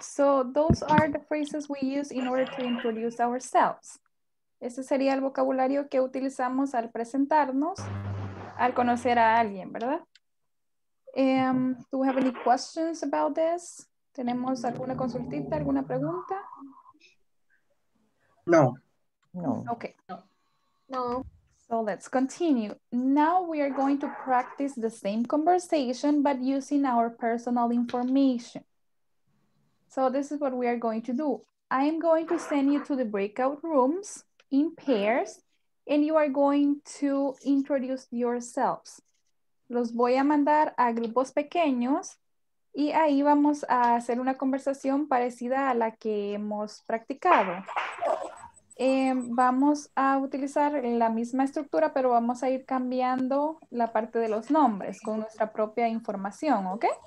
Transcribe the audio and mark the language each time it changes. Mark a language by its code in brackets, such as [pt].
[en] So those are the phrases we use in order to introduce ourselves. [es] Ese sería el vocabulario que utilizamos al presentarnos. Al conocer a alguien, ¿verdad? [en] Do we have any questions about this? [es] ¿Tenemos alguna consultita, alguna pregunta? No. No. [en] Okay. [es] No. [en] So let's continue. Now we are going to practice the same conversation, but using our personal information. So this is what we are going to do. I am going to send you to the breakout rooms in pairs. And you are going to introduce yourselves. [es] los voy a mandar a grupos pequeños y ahí vamos a hacer una conversación parecida a la que hemos practicado. Vamos a utilizar la misma estructura, pero vamos a ir cambiando la parte de los nombres con nuestra propia información, ¿ok?